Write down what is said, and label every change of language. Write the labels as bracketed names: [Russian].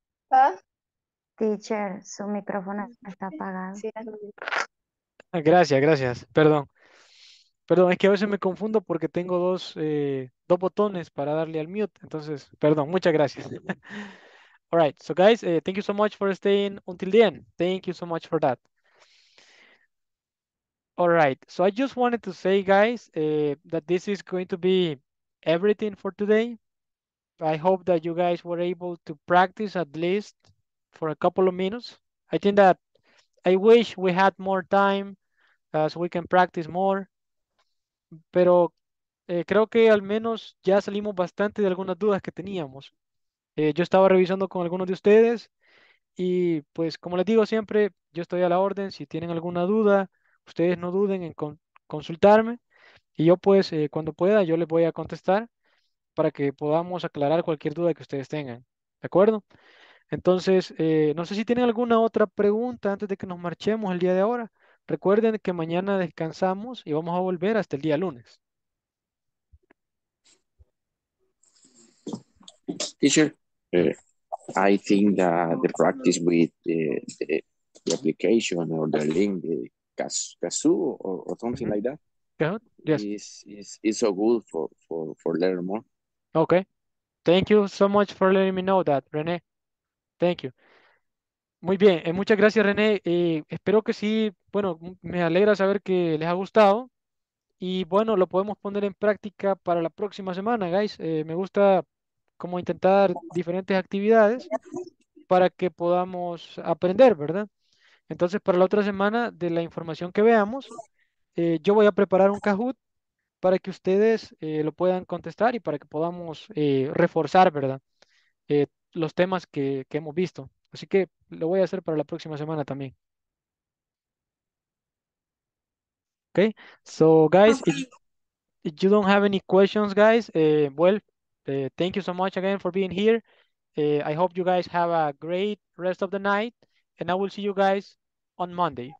[Spanish] ¿Ah? Teacher, su micrófono está apagado. Sí. Gracias, gracias. Perdón. Perdón, es que a veces me confundo porque tengo dos botones para darle al mute. Entonces, perdón, muchas gracias. [English] All right, so guys, thank you so much for staying until the end. Thank you so much for that. All right, so I just wanted to say, guys, that this is going to be everything for today. I hope that you guys were able to practice at least for a couple of minutes. I think that I wish we had more time so we can practice more. [Spanish] Pero creo que al menos ya salimos bastante de algunas dudas que teníamos. Yo estaba revisando con algunos de ustedes y pues como les digo siempre, yo estoy a la orden. Si tienen alguna duda, ustedes no duden en consultarme. Y yo pues cuando pueda, yo les voy a contestar para que podamos aclarar cualquier duda que ustedes tengan. ¿De acuerdo? Entonces, no sé si tienen alguna otra pregunta antes de que nos marchemos el día de ahora. Recuerden que mañana descansamos y vamos a volver hasta el día lunes. [English] Teacher, I think that the practice with the application or the link, the Kazoo or something like that, Yes. is so good for learning more. Okay. Thank you so much for letting me know that, René. Thank you. [Spanish] Muy bien, muchas gracias, René. Espero que sí, bueno, me alegra saber que les ha gustado. Y bueno, lo podemos poner en práctica para la próxima semana, guys. Me gusta como intentar diferentes actividades para que podamos aprender, ¿verdad? Entonces, para la otra semana, de la información que veamos, yo voy a preparar un Kahoot para que ustedes lo puedan contestar y para que podamos reforzar, ¿verdad? Los temas que hemos visto. Así que lo voy a hacer para la próxima semana también. [English] Okay. So, guys, if you don't have any questions, guys, well, thank you so much again for being here. I hope you guys have a great rest of the night, and I will see you guys on Monday.